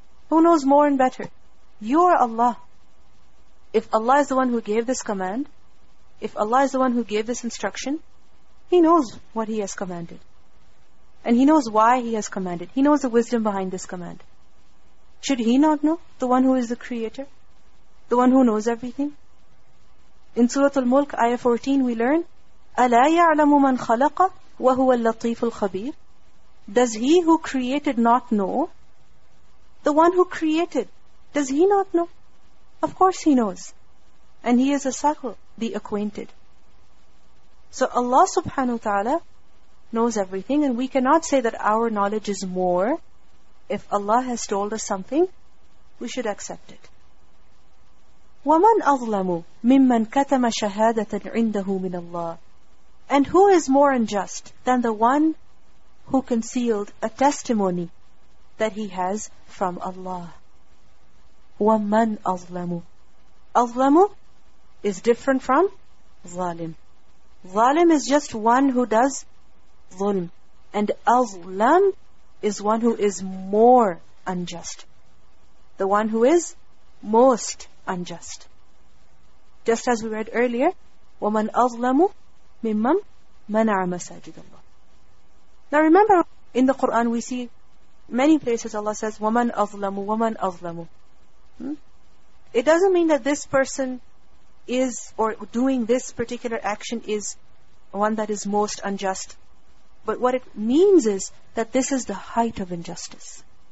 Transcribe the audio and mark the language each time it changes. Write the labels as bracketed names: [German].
[English] Who knows more and better? You are Allah. If Allah is the one who gave this command, if Allah is the one who gave this instruction, He knows what He has commanded. And He knows why He has commanded. He knows the wisdom behind this command. Should He not know, the one who is the Creator, the one who knows everything? In Surah Al-Mulk, Ayah 14, we learn, [Arabic] أَلَا يَعْلَمُ مَنْ خَلَقَ وَهُوَ اللَّطِيفُ الْخَبِيرُ. [English] Does He who created not know? The one who created, does He not know? Of course He knows. And He is a subtle, the acquainted. So Allah subhanahu wa ta'ala knows everything, and we cannot say that our knowledge is more. If Allah has told us something, we should accept it. [Arabic] وَمَنْ أَظْلَمُ مِمَّنْ كَتَمَ شَهَادَةً عِنْدَهُ مِنَ اللَّهِ. [English] And who is more unjust than the one who concealed a testimony that he has from Allah? [Arabic] وَمَنْ أَظْلَمُ. [English] أَظْلَمُ is different from ظَالِم. ظَالِم is just one who does ظُلْم. And أَظْلَم is one who is more unjust. The one who is most unjust. Just as we read earlier, [Arabic] وَمَنْ أَظْلَمُ مِمَّمْ مَنَعَ مَسَاجِدَ اللَّهِ. [English] Now remember, in the Quran we see many places Allah says, [Arabic] وَمَنْ أَظْلَمُ وَمَنْ أَظْلَمُ. [English] It doesn't mean that this person is, or doing this particular action is one that is most unjust. But what it means is that this is the height of injustice.